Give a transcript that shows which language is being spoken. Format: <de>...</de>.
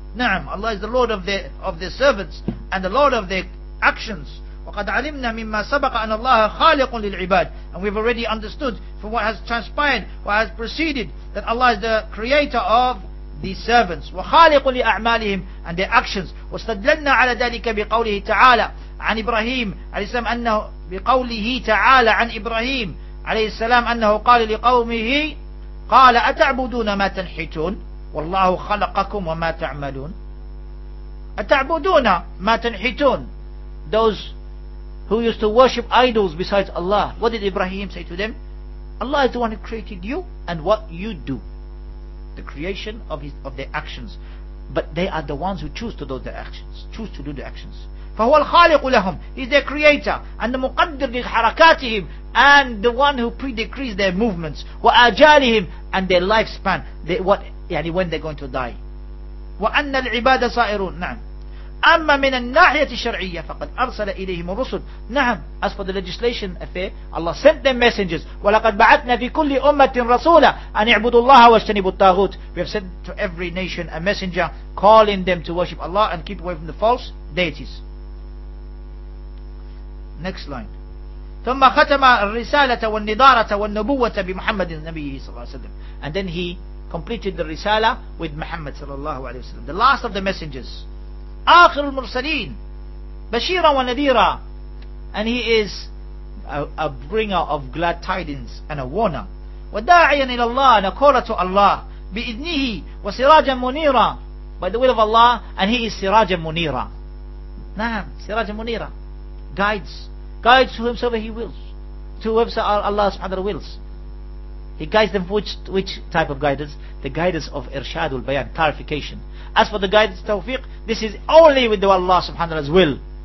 <en>نعم, Allah is the Lord of their servants and the Lord of their actions.</en> <ar>وقد علمنا مما سبق أن الله خالق للعباد.</ar> <en>And we've already understood from what has transpired, what has preceded, that Allah is the creator of these servants.</en> <ar>وخالق لأعمالهم</ar> <en>and their actions.</en> <ar>واستدلنا على ذلك بقوله تعالى عن إبراهيم عليه السلام أنه بقوله تعالى عن إبراهيم عليه السلام أنه قال لقومه قال أتعبدون ما تنحتون والله خلقكم وما تعملون. أتعبدون ما تنحتون.</ar> <en>Those who used to worship idols besides Allah, what did Ibrahim say to them? Allah is the one who created you and what you do. The creation of their actions, but they are the ones who choose to do the actions.</en> <ar>فَهُوَ الْخَالِقُ لَهُمْ.</ar> <en>He's their creator and the</en> <ar>مُقَدِّرُ لِحَرَكَاتِهِمْ,</ar> <en>and the one who predecrees their movements.</en> <ar>وَأَجَالِهِمْ,</ar> <en>and their lifespan. They, what? يعني when they're going to die.</en> <ar>وَأَنَّ الْعِبَادَ صَائِرُونَ. نعم. أَمَّا مِنَ النَّاحِيَةِ الشَّرْعِيَّةِ فَقَدْ أَرْسَلَ إِلَيْهِمُ الرُّسُلُ. نعم.</ar> <en>As for the legislation affair, Allah sent them messengers.</en> <ar>وَلَقَدْ بَعَثْنَا فِي كُلِّ أُمَّةٍ رَسُولًا أَنْ اعْبُدُوا اللَّهَ وَاجْتَنِبُوا الطَّاغُوتَ.</ar> <en>We have sent to every nation a messenger calling them to worship Allah and keep away from the false deities. Next line.</en> <ar>ثُمَّ خَتَمَ الرِّسَالَةَ وَالنِّضَارَةَ وَالنُّبُوَّةَ بِمُحَمَّدٍ نَبِيِّهِ صَلَّى اللَّهُ عَلَيْهِ وَسَلَّمَ.</ar> <en>And then he completed the risala with Muhammad sallallahu alayhi wa sallam, the last of the messengers.</en> <ar>آخر المرسلين بشيرا ونذيرا.</ar> <en>And he is a bringer of glad tidings and a warner.</en> <ar>وداعيا إلى الله نكورة الله بإذنه وسراجا منيرا.</ar> <en>By the will of Allah, and he is</en> <ar>سراجا منيرا.</ar> <en>نعم,</en> <ar>سراجا منيرا.</ar> <en>Guides whomsoever he wills, to whomsoever Allah subhanahu wa ta'ala wills. He guides them for which type of guidance? The guidance of irshadul bayan, clarification. As for the guidance of tawfiq, this is only with the Allah subhanahu wa ta'ala's will.</en>